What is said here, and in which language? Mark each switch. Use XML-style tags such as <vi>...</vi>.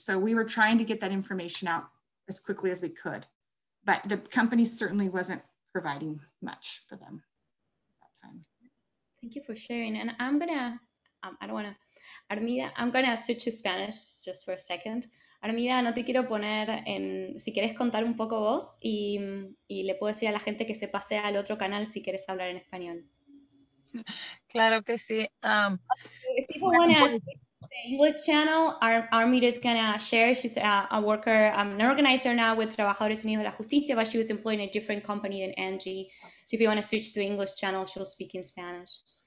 <en>So we were trying to get that information out as quickly as we could, but the company certainly wasn't providing much for them at that time. Thank you for sharing. And I'm gonna, Armida, I'm gonna switch to Spanish just for a second.</en> <es>Armida, no te quiero poner en, si quieres contar un poco vos y le puedo decir a la gente que se pase al otro canal si quieres hablar en español. Claro que sí.</es> <en>If people want to ask the English channel, Armida is going to share. She's a worker, an organizer now with Trabajadores Unidos de la Justicia, but she was employed in a different company than Angie. So if you want to switch to the English channel, she'll speak in Spanish.</en>